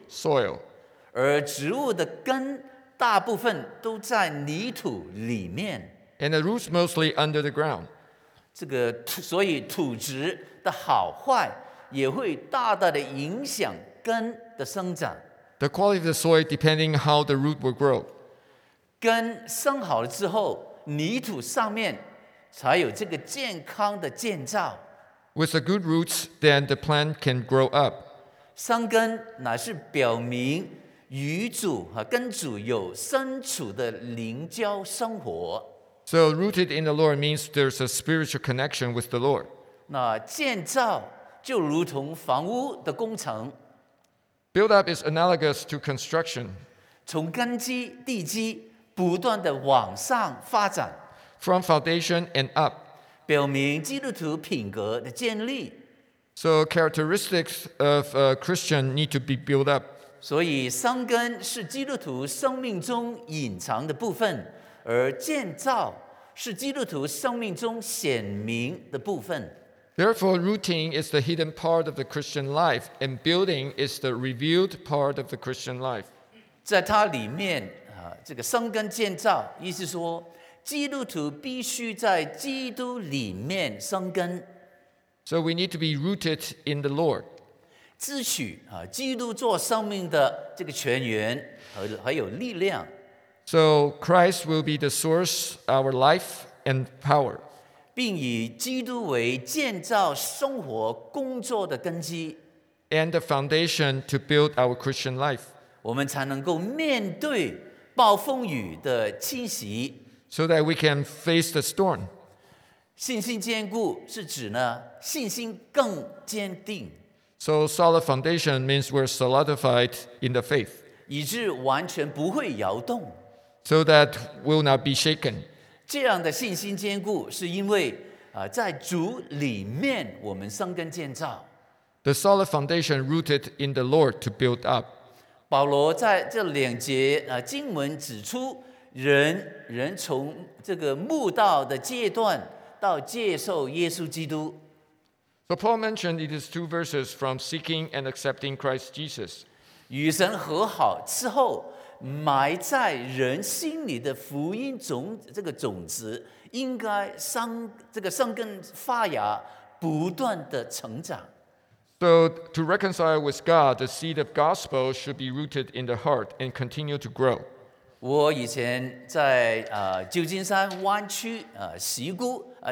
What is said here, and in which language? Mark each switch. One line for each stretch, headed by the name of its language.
English: Soil.
Chinese: 而植物的根大部分都在泥土里面。
English: And the roots mostly under the ground.
Chinese: 这个所以土质的好坏也会大大的影响根的生长。
English: The quality of the soil depending how the root will grow.
Chinese: 根生好了之后，泥土上面才有这个健康的建造。
English: With the good roots, then the plant can grow up.
Chinese: 生根乃是表明与主和跟主有深处的灵交生活。
English: So rooted in the Lord means there's a spiritual connection with the Lord.
Chinese: 那建造就如同房屋的工程。
English: Build up is analogous to construction.
Chinese: 从根基、地基不断的往上发展。
English: From foundation and up.
Chinese: 表明基督徒品格的建立。
English: So characteristics of a Christian need to be built up.
Chinese: 所以生根是基督徒生命中隐藏的部分，而建造是基督徒生命中显明的部分。
English: Therefore, rooting is the hidden part of the Christian life, and building is the revealed part of the Christian life.
Chinese: 在它里面，这个生根建造，意思说，基督徒必须在基督里面生根。
English: So we need to be rooted in the Lord.
Chinese: 支取基督做生命的这个泉源还有力量。
English: So Christ will be the source, our life and power.
Chinese: 并以基督为建造生活工作的根基。
English: And the foundation to build our Christian life.
Chinese: 我们才能够面对暴风雨的侵袭。
English: So that we can face the storm.
Chinese: 信心坚固是指呢，信心更坚定。
English: So solid foundation means we're solidified in the faith.
Chinese: 以致完全不会摇动。
English: So that will not be shaken.
Chinese: 这样的信心坚固是因为在主里面我们生根建造。
English: The solid foundation rooted in the Lord to build up.
Chinese: 保罗在这两节经文指出人从这个慕道的阶段到接受耶稣基督。
English: So Paul mentioned it is two verses from seeking and accepting Christ Jesus.
Chinese: 与神和好之后，埋在人心里的福音种这个种子，应该生根发芽，不断的成长。
English: So to reconcile with God, the seed of gospel should be rooted in the heart and continue to grow.
Chinese: 我以前在旧金山湾区西谷。